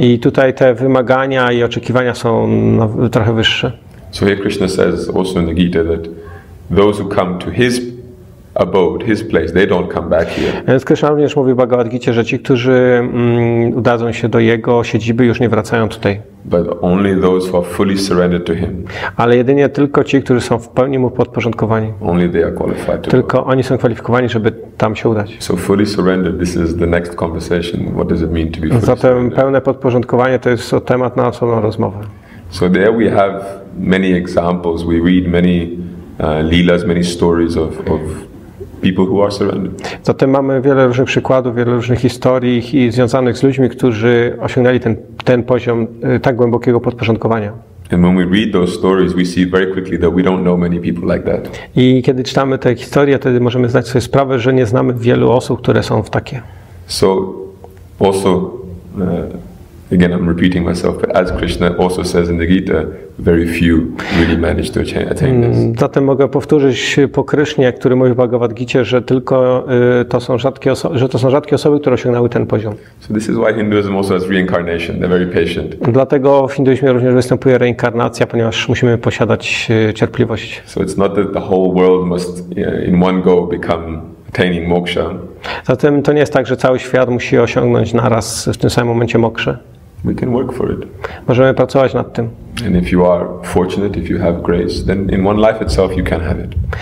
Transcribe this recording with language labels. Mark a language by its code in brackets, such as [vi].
[pl] I tutaj te wymagania i oczekiwania są trochę wyższe. [en] So here Krishna says also in the Gita that those who come to his abode, his place, they don't come back here. [pl] Więc Krishna również mówi w Bhagavad Gita, że ci, którzy udadzą się do jego siedziby, już nie wracają tutaj. [en] But only those who are fully surrendered to him. [pl] Ale jedynie tylko ci, którzy są w pełni mu podporządkowani. [en] Only they are qualified to [pl] tylko [en] go. [pl] Oni są kwalifikowani, żeby tam się udać. [en] So fully surrendered, this is the next conversation. What does it mean to be fully surrendered? [pl] Zatem pełne podporządkowanie to jest temat na osobną rozmowę. [en] So there we have many examples. We read many leelas, many stories of people who are surrendered. [pl] Zatem mamy wiele różnych przykładów, wiele różnych historii i związanych z ludźmi, którzy osiągnęli ten poziom tak głębokiego podporządkowania. [en] And when we read those stories, we see very quickly that we don't know many people like that. [pl] I kiedy czytamy te historie, wtedy możemy zdać sobie sprawę, że nie znamy wielu osób, które są w takie. [en] So also again, I'm repeating myself, but as Krishna also says in the Gita, very few really manage to attain this. [pl] Zatem mogę powtórzyć po Krishnie, który mówi w Bhagavad Gita, że tylko to są rzadkie osoby, które osiągnęły ten poziom. [en] So this is why Hinduism also has reincarnation. They're very patient. [pl] Dlatego w hinduizmie również występuje reinkarnacja, ponieważ musimy posiadać cierpliwość. [en] So it's not that the whole world must in one go become attaining moksha. [pl] Zatem to nie jest tak, że cały świat musi osiągnąć naraz w tym samym momencie mokszę. [en] We can work for it. [pl] Możemy pracować nad tym. [en] And if you are fortunate, if you have grace, then in one life itself you can have it.